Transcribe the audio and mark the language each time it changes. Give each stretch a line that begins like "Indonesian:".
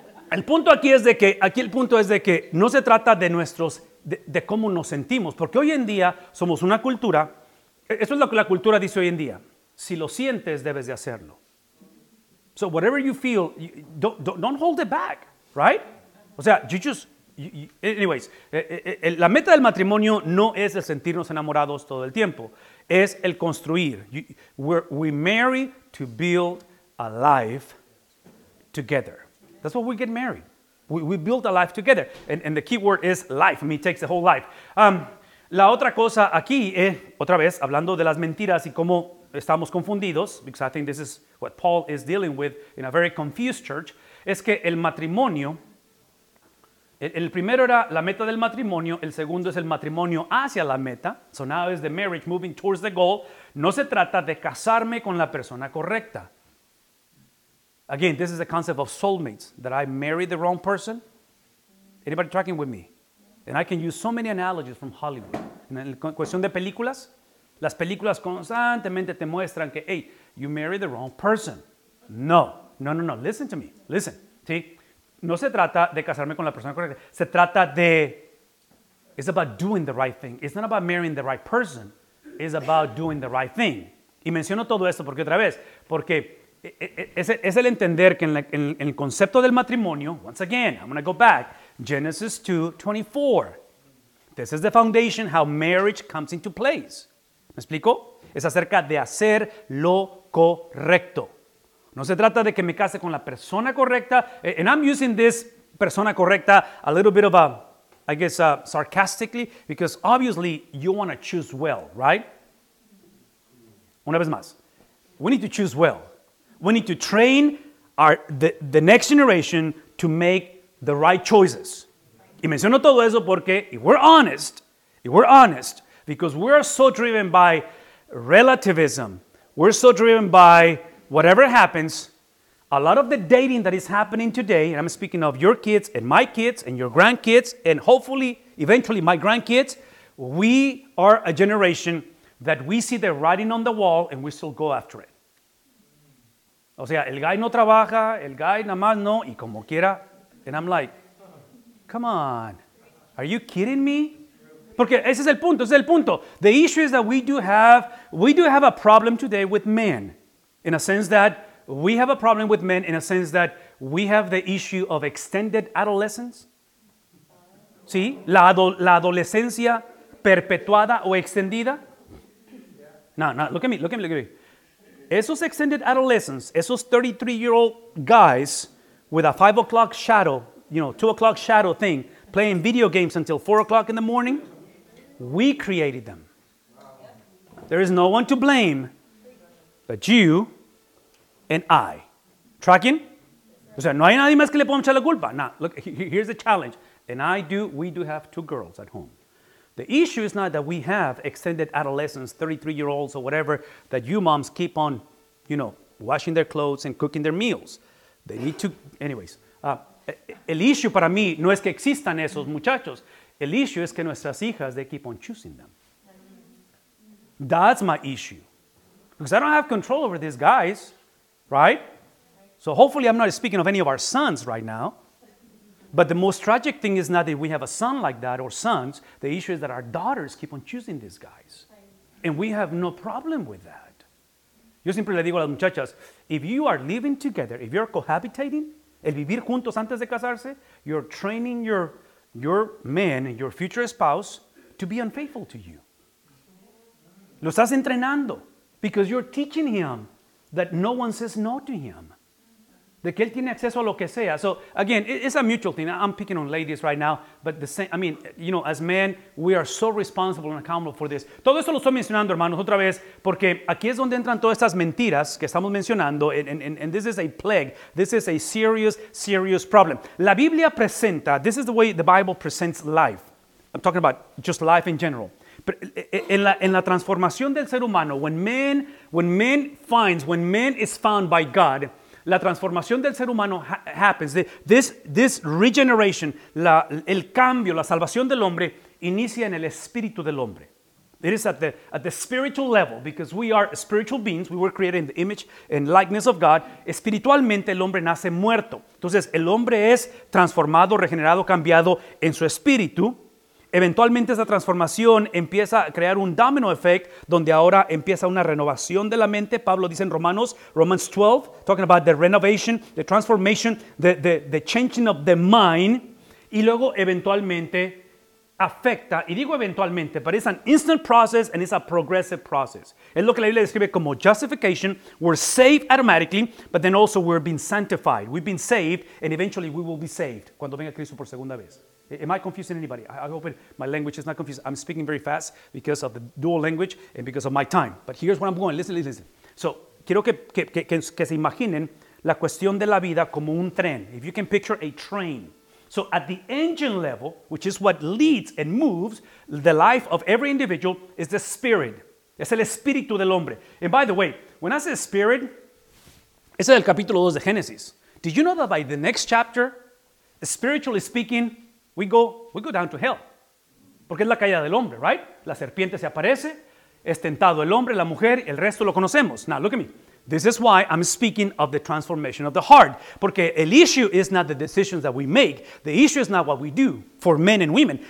Spanish: El punto aquí es de que, no se trata de nuestros, de cómo nos sentimos. Porque hoy en día somos una cultura, eso es lo que la cultura dice hoy en día. Si lo sientes, debes de hacerlo.
English: So whatever you feel, don't hold it back, right?
Spanish: O sea, la meta del matrimonio no es el sentirnos enamorados todo el tiempo. Es el construir.
English: We marry to build a life together. That's why we get married. We build a life together. And the key word is life. I mean, it takes the whole life.
Spanish: La otra cosa aquí es, otra vez, hablando de las mentiras y cómo estamos confundidos,
English: because I think this is what Paul is dealing with in a very confused church,
Spanish: es que el matrimonio, el primero era la meta del matrimonio, el segundo es el matrimonio hacia la meta.
English: So now is the marriage moving towards the goal.
Spanish: No se trata de casarme con la persona correcta.
English: Again, this is the concept of soulmates, that I married the wrong person. Anybody tracking with me? And I can use so many analogies from Hollywood.
Spanish: En cuestión de películas, las películas constantemente te muestran que,
English: hey, you married the wrong person.
Spanish: No.
English: Listen to me. Listen.
Spanish: ¿Sí? No se trata de casarme con la persona correcta. Se trata de,
English: it's about doing the right thing. It's not about marrying the right person. It's about doing the right thing.
Spanish: Y menciono todo esto porque otra vez, porque es el entender que en el concepto del matrimonio,
English: once again, I'm going to go back,
Spanish: Genesis 2:24.
English: This is the foundation how marriage comes into place.
Spanish: ¿Me explico? Es acerca de hacer lo correcto. No se trata de que me case con la persona correcta.
English: And I'm using this
Spanish: persona correcta
English: a little bit of a, I guess, sarcastically, because obviously you want to choose well, right?
Spanish: Una vez más,
English: we need to choose well. We need to train the next generation to make the right choices. Y menciono todo eso porque, if we're honest, because we're so driven by relativism, we're so driven by whatever happens, a lot of the dating that is happening today, and I'm speaking of your kids and my kids and your grandkids and hopefully, eventually, my grandkids, we are a generation that we see the writing on the wall and we still go after it.
Spanish: O sea, el
English: guy
Spanish: no trabaja, el guy nada más no, y como quiera.
English: And I'm like, come on, are you kidding me?
Spanish: Porque ese es el punto, ese es el punto.
English: The issue is that we do have a problem today with men. In a sense that we have a problem with men, in a sense that we have the issue of extended adolescence. ¿Sí?
Spanish: La adolescencia perpetuada o extendida. No,
English: look at me.
Spanish: Esos
English: extended adolescents,
Spanish: esos
English: 33-year-old guys with a 5 o'clock shadow, you know, 2 o'clock shadow thing, playing video games until 4 o'clock in the morning, we created them. There is no one to blame but you and I. ¿Tracking?
Spanish: O sea, no hay nadie más que le podamos echar la culpa.
English: No, look, here's the challenge. And I do, we do have two girls at home. The issue is not that we have extended adolescents, 33-year-olds or whatever, that you moms keep on, you know, washing their clothes and cooking their meals. They need to, anyways.
Spanish: El
English: issue
Spanish: para mí no es que existan esos muchachos. El issue es que nuestras hijas,
English: they keep on choosing them. That's my issue. Because I don't have control over these guys, right? So hopefully I'm not speaking of any of our sons right now. But the most tragic thing is not that we have a son like that or sons. The issue is that our daughters keep on choosing these guys. And we have no problem with that.
Spanish: Yo siempre le digo a las muchachas,
English: if you are living together, if you're cohabitating,
Spanish: el vivir juntos antes de casarse,
English: you're training your man, your future spouse, to be unfaithful to you.
Spanish: Lo estás entrenando.
English: Because you're teaching him that no one says no to him.
Spanish: De que él tiene acceso a lo que sea.
English: So, again, it's a mutual thing. I'm picking on ladies right now. But the same, I mean, you know, as men, we are so responsible and accountable for this.
Spanish: Todo esto lo estoy mencionando, hermanos, otra vez, porque aquí es donde entran todas estas mentiras que estamos mencionando.
English: And this is a plague. This is a serious, serious problem.
Spanish: La Biblia presenta,
English: this is the way the Bible presents life. I'm talking about just life in general. But
Spanish: en la transformación del ser humano,
English: when man is found by God,
Spanish: la transformación del ser humano
English: happens. This regeneration,
Spanish: el cambio, la salvación del hombre, inicia en el espíritu del hombre.
English: It is at the spiritual level, because we are spiritual beings. We were created in the image and likeness of God.
Spanish: Espiritualmente, el hombre nace muerto. Entonces, el hombre es transformado, regenerado, cambiado en su espíritu. Eventualmente, esa transformación empieza a crear un
English: domino effect,
Spanish: donde ahora empieza una renovación de la mente. Pablo dice en
English: Romans 12, talking about the renovation, the transformation, the changing of the mind.
Spanish: Y luego, eventualmente, afecta, y digo eventualmente,
English: but it's an instant process and it's a progressive process.
Spanish: Es lo que la Biblia describe como
English: justification. We're saved automatically, but then also we're being sanctified. We've been saved, and eventually we will be saved
Spanish: cuando venga Cristo por segunda vez.
English: Am I confusing anybody? I hope my language is not confusing. I'm speaking very fast because of the dual language and because of my time. But here's where I'm going. Listen. So,
Spanish: quiero que se imaginen la cuestión de la vida como un tren.
English: If you can picture a train. So, at the engine level, which is what leads and moves the life of every individual, is the spirit.
Spanish: Es el espíritu del hombre.
English: And by the way, when I say spirit,
Spanish: ese es el capítulo 2 de Génesis.
English: Did you know that by the next chapter, spiritually speaking, We go down to hell.
Spanish: Porque es la caída del hombre, right? La serpiente se aparece, es tentado el hombre, la mujer, el resto lo conocemos.
English: Now, look at me. This is why I'm speaking of the transformation of the heart.
Spanish: Porque el
English: issue is not the decisions that we make. The issue is not what we do for men and women.